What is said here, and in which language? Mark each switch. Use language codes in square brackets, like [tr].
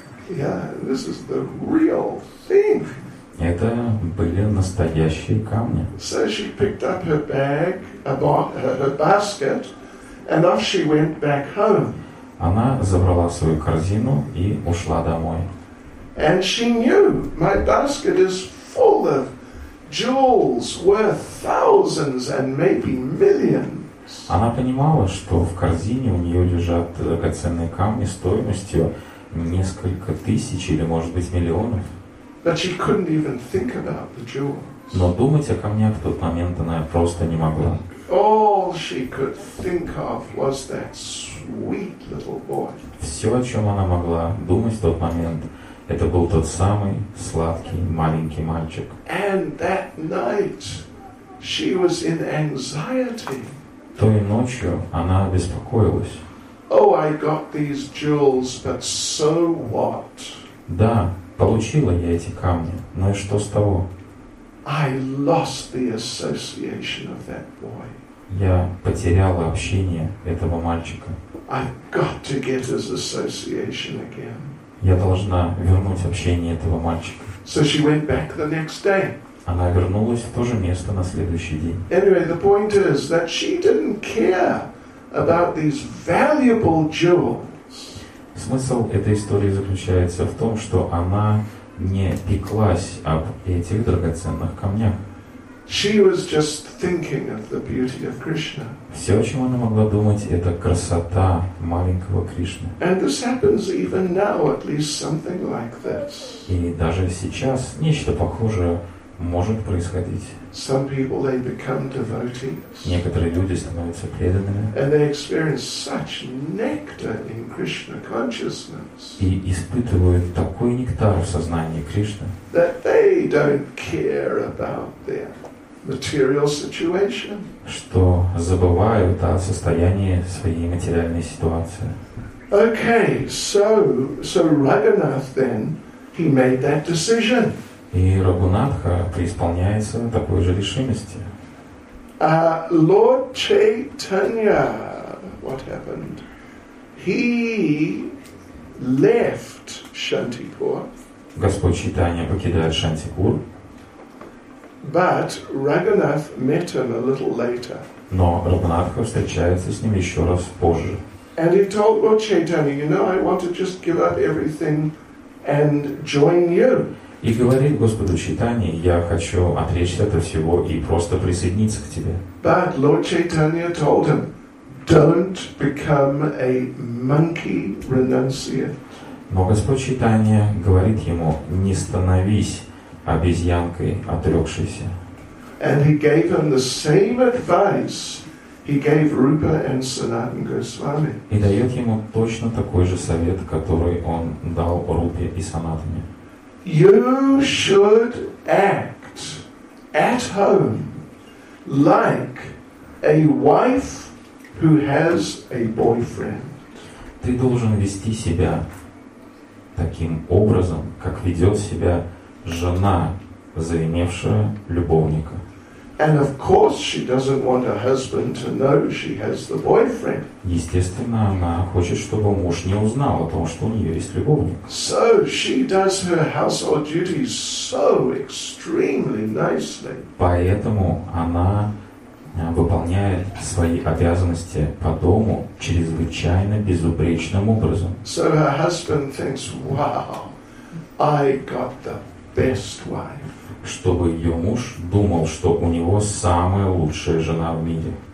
[en] Yeah, this is the real thing. [ru] Это были настоящие камни. [en] So she picked up her bag, her basket, and off she went back home. [ru] Она забрала свою корзину и ушла домой. [en] And she knew my basket is full of jewels worth thousands and maybe millions. [ru] Она понимала, что в корзине у нее лежат драгоценные камни стоимостью несколько тысяч или, может быть, миллионов. [en] But she couldn't even think about the jewels. [ru] Но думать о камнях в тот момент она просто не могла. [en] All she could think of was that sweet little boy. [ru] Все, о чем она могла думать в тот момент, это был тот самый сладкий маленький мальчик. [en] And that night she was in anxiety. [ru] Той ночью она беспокоилась. [en] Oh, I got these jewels, but so what? [ru] Да, получила я эти камни, но и что с того? [en] I lost the association of that boy. [ru] Я потеряла общение этого мальчика. [en] I've got to get his association again. [ru] Я должна вернуть общение этого мальчика. [en] So she went back the next day. [ru] Она вернулась в то же место на следующий день. [en] Anyway, the point is that she didn't care about these valuable jewels. [ru] Смысл этой истории заключается в том, что она не пеклась об этих драгоценных камнях. [en] She was just thinking of the beauty of Krishna. [ru] Все, о чем она могла думать, это красота маленького Кришны. [en] And this happens even now, at least something like this. [ru] И даже сейчас нечто похожее может происходить. [en] Some people, they become devotees. [ru] Некоторые люди становятся преданными. [en] And they experience such nectar in Krishna consciousness. [ru] И испытывают такой нектар в сознании Кришны. [en] That they don't care about their material situation. [ru] Что забывают о состоянии своей материальной ситуации. [en] Okay, so Raghunath then, he made that decision. [ru] И Рагунатха преисполняется такой же решимости. [en] Lord Chaitanya, what happened? He left Shantipur. [ru] Господь Чайтанья покидает Шантипур. [en] But Raghunath met him a little later. [ru] Но Рагунатха встречается с ним еще раз позже. [en] And he told Lord Chaitanya, you know, I want to just give up everything and join you. [ru] И говорит Господу Чайтанье, я хочу отречься от всего и просто присоединиться к тебе. [en] But Lord Chaitanya told him, don't become a monkey renunciate. [ru] Но Господь Чайтанья говорит ему, не становись обезьянкой отрекшейся. [en] And he gave him the same advice he gave Rupa and Sanatan Goswami. [ru] И дает ему точно такой же совет, который он дал Рупе и Санатане. [en] You should act at home like a wife who has a boyfriend. [ru] Ты должен вести себя таким образом, как ведет себя жена, заимевшая любовника. [en] And of course she doesn't want her husband to know she has the boyfriend. [ru] Естественно, она хочет, чтобы муж не узнал о том, что у нее есть любовник. [en] So she does her household duties so extremely nicely. [ru] Поэтому она выполняет свои обязанности по дому чрезвычайно безупречным образом. [en] So her husband thinks, wow, I got the best wife. [ru] Чтобы ее муж думал, что у него самая лучшая жена в мире.